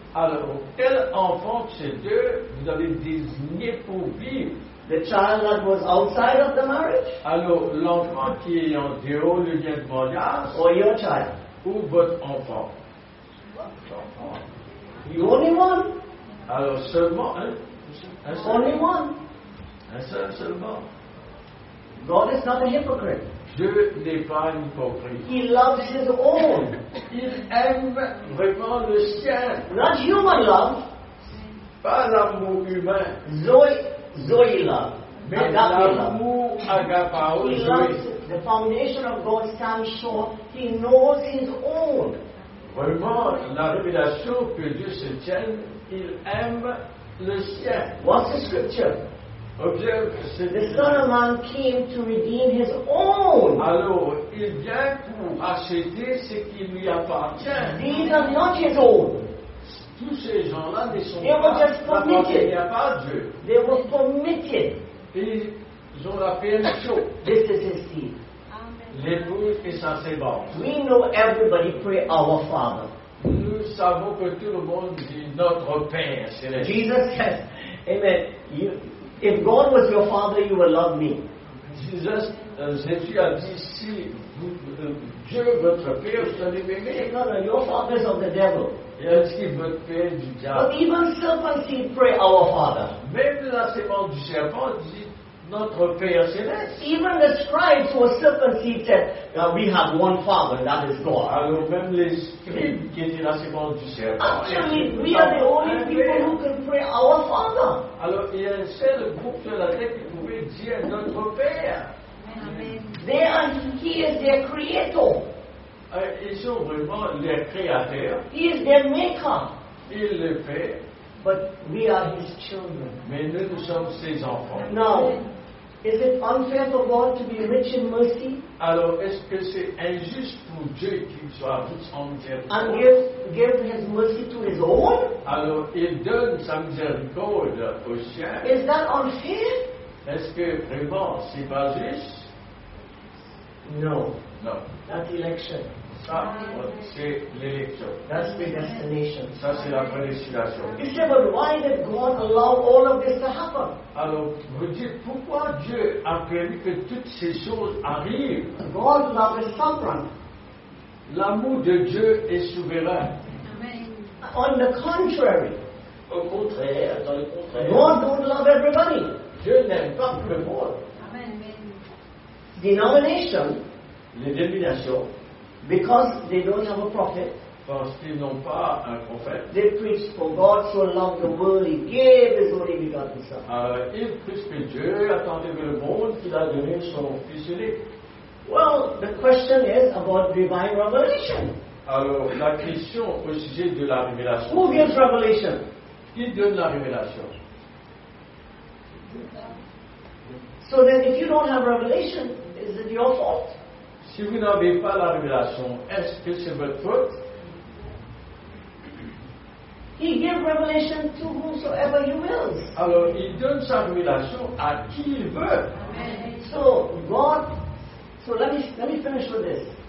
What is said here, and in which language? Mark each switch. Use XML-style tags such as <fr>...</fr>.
<fr>Alors, quel enfant de ces deux vous avez désigné pour vivre?</fr> <en>The child that was outside of the marriage?</en> <fr>Alors, l'enfant qui est en dehors du lien de mariage?</fr> <en>Or your child?</en> <fr>Ou votre enfant?</fr> <en>You only one?</en> <fr>Alors, seulement un seul?</fr> <en>Only one?</en> <fr>Un seul seulement?</fr> <en>God is not a hypocrite.</en> <fr>Dieu n'est pas un hypocrite.</fr> <en>He loves his own.</en> <fr>Il aime vraiment le sien.</fr> <en>Not human love.</en> <fr>Pas l'amour humain.</fr> <en>Zoe love.</en> <fr>Mais l'amour agapao.</fr> <en>He loves the foundation of God stands sure. He knows his own.</en> <fr>Vraiment, la révélation que Dieu se tienne, il aime le sien.</fr> <en>What's the scripture? Objective. The Son of Man came to redeem his own.</en> <fr>Alors, il vient pour acheter ce qui lui appartient.</fr> <en>These are not his own.</en> <fr>Tous ces gens-là ne sont</fr> <en>they were just permitted.</en> <fr>Pas Dieu.</fr> <en>They were permitted.</en> <fr>Ils ont la permission.</fr> <en>This is his seed.</en> <fr>L'épouse et sa sébance.</fr> <en>We know everybody pray our Father.</en> <fr>Nous savons que tout le monde dit notre Père Céleste.</fr> <en>Jesus says, Amen. If God was your father, you would love me.</en> <fr>Jésus a dit, si Dieu votre père, vous allez m'aimer.</fr> <en>No, your father is of the devil.</en> <fr>Est-ce votre père du diable?</fr> <en>But even serpents pray our father.</en> <fr>Même la sémence du serpent dit, notre père céleste.</fr> <en>Even the scribes who were serpents said, we have one father, that is God.</en> <fr>Alors même les scribes qui étaient la sémence du serpent.</fr> <en>Actually, we are the only people who can pray our father.</en> <fr>Alors, il y a un seul groupe sur la terre qui pouvait dire notre Père.</fr> <en>Amen. They are, he is their creator.</en> <fr>Ils sont vraiment leur créateur.</fr> <en>He is their maker.</en> <fr>Il le fait.</fr> <en>But we are his children.</en> <fr>Mais nous sommes ses enfants.</fr> <en>Now, Is it unfair for God to be rich in mercy?</en> <fr>Alors, est-ce que c'est injuste pour Dieu qu'il soit riche en miséricorde?</fr> <en>And give his mercy to his own?</en> <fr>Alors, il donne sa miséricorde aux siens.</fr> <en>Is that unfair?</en> <fr>Est-ce que vraiment c'est pas juste?</fr> <en>No. No. That election.</en> <fr>Ça, c'est l'élection.</fr> <en>That's predestination.</en> <fr>Ça, c'est la prédestination.</fr> <en>You say, but why did God allow all of this to happen?</en> <fr>Alors, vous dites, pourquoi Dieu a permis que toutes ces choses arrivent?</fr> <en>God love is sovereign.</en> <fr>L'amour de Dieu est souverain.</fr> <en>Amen. On the contrary.</en> <fr>Au contraire, dans le contraire.</fr> <en>God don't love everybody.</en> <fr>Dieu n'aime pas tout le monde.</fr> <en>Amen. Denomination.</en> <fr>Les dominations.</fr> <en>Because they don't have a prophet.</en> <fr>Parce qu'ils n'ont pas un prophète.</fr> <en>They preach, for God so loved the world, he gave his only begotten son.</en> <fr>Ils prêchent que Dieu a tant aimé le monde qu'il a donné son fils unique.</fr> <en>Well, the question is about divine revelation.</en> <fr>Alors, la question au sujet de la révélation.</fr> <en>Who gives revelation?</en> <fr>Qui donne la révélation?</fr> <en>So then, if you don't have revelation, is it your fault?</en> <fr>Si vous n'avez pas la révélation, est-ce que c'est votre faute?</fr> <en>He gave revelation to whomsoever he wills.</en> <fr>Alors, il donne sa révélation à qui il veut.</fr> <en>So let me finish with this.</en>